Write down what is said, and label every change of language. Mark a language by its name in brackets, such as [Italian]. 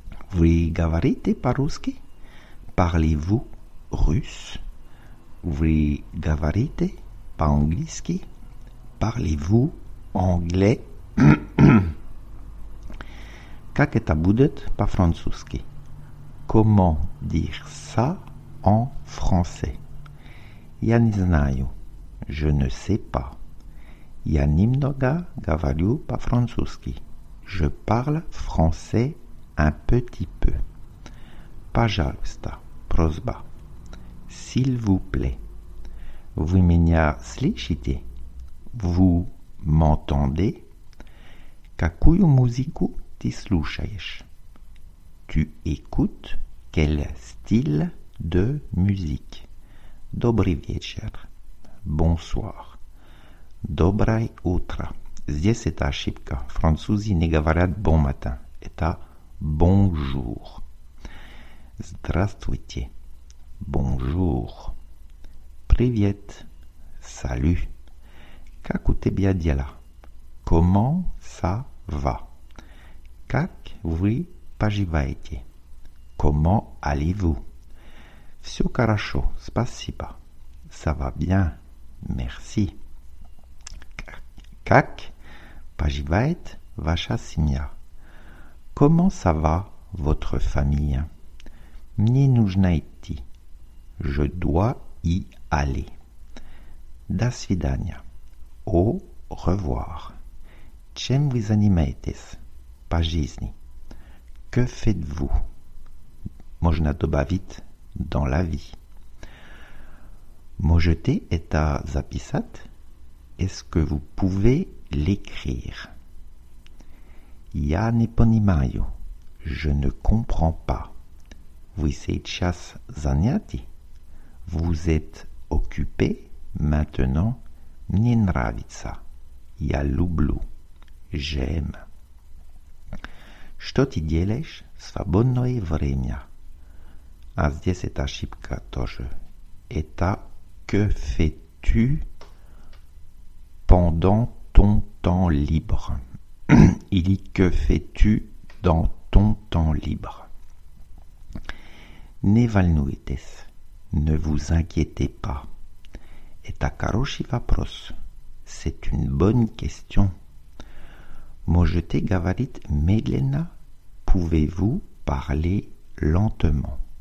[Russian] Vous говорите по-русски? [French] Parlez-vous russe? [Russian] Vous говорите по-английски? [French] Parlez-vous anglais? [Russian] Как это будет по-французски? [French] Comment dire ça en français? [Russian] Я не знаю. [French] Je ne sais pas. [Russian] Я немного говорю по-французски. [French] Je parle français un petit peu. [Russian] Пожалуйста, просьба. [French] S'il vous plaît. [Russian] Vous меня слышите? [French] Vous m'entendez? [Russian] Какую музыку ты слушаешь? [French] Tu écoutes quel style de musique? [Russian] Добрый вечер. [French] Bonsoir. [Russian] Доброе утро. Здесь это ошибка. Французы не говорят «бон матин». Это «бонжур». Здравствуйте. [French] Bonjour. [Russian] Привет. [French] Salut. [Russian] Как у тебя дела? [French] Comment ça va? [Russian] Как вы поживаете? [French] Comment allez-vous? [Russian] Все хорошо, спасибо. [French] Ça va bien. Merci. [Russian] Как поживает ваша семья? [French] Comment ça va votre famille? [Russian] Мне нужно идти. [French] Je dois y aller. [Russian] До свидания. [French] Au revoir. [Russian] Чем вы занимаетесь? По жизни. [French] Que faites-vous? [Russian] Можно добавить [French] dans la vie. [Russian] Можете это записать? [French] Est-ce que vous pouvez l'écrire? [Russian] Я не понимаю. [French] Je ne comprends pas. [Russian] Вы сейчас заняты? [French] Vous êtes occupé maintenant? [Russian] Мне нравится. Я люблю. [French] J'aime. [Russian] Что ты делаешь в свободное время? А здесь это ошибка тоже. [French] Это «que fais-tu pendant ton temps libre?» Или «que fais-tu dans ton temps libre?» [Russian] Не волнуйтесь. [French] Ne vous inquiétez pas. [Russian] Это хороший вопрос. [French] C'est une bonne question. [Russian] Можете говорить медленно? [French] Pouvez-vous parler lentement?